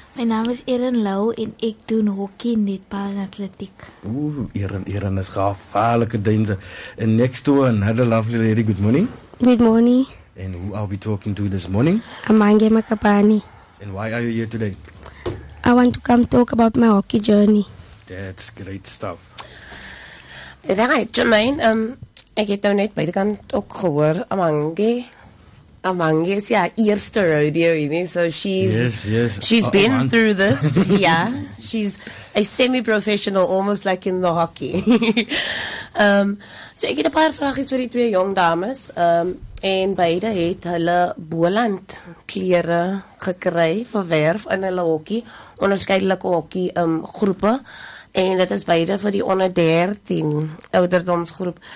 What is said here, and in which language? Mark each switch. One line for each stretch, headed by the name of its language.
Afrikaans: My naam is Erin Lou en ek doen hokkie net paal en atletiek. Ooh, Erin is gevaarlike dinge.
English: And next to another lovely lady, good morning. Good morning. And who are we talking to this morning? Amange Makapani. And why are you here today? I want to come talk about my hockey journey. That's great stuff.
Afrikaans: Right, Jermaine. Ek het nou net by die kant ook gehoor, Amange is haar eerste rodeo, nie?
English: So she's been Amange through this. Yeah, she's a semi-professional, almost like in the hockey.
Afrikaans: So ek het 'n paar vragies vir die twee jong dames. En beide het hulle Boland klere gekry verwerf in hulle hokkie, onderskeidelike hokkie groepe, en dit is beide vir die onder 13 ouderdomsgroep.